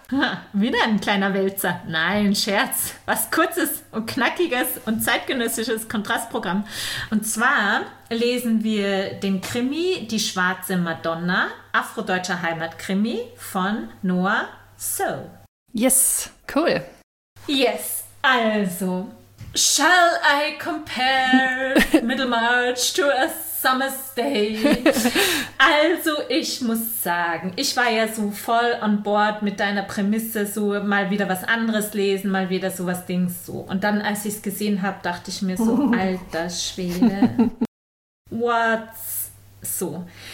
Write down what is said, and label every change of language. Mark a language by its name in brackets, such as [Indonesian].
[German] Ha, wieder ein kleiner Wälzer. Nein, Scherz. Was Kurzes und Knackiges und zeitgenössisches Kontrastprogramm. Und zwar lesen wir den Krimi Die schwarze Madonna, afrodeutscher Heimatkrimi von Noah So. [English] Yes, cool. Yes, also. Shall I compare Middlemarch to a Summer's Day? [German] Also, ich muss sagen, ich war ja so voll [English] on board [German] mit deiner Prämisse, so mal wieder was anderes lesen, mal wieder sowas Dings so. Und dann, als ich es gesehen habe, dachte ich mir so, alter Schwede, [English] what's so?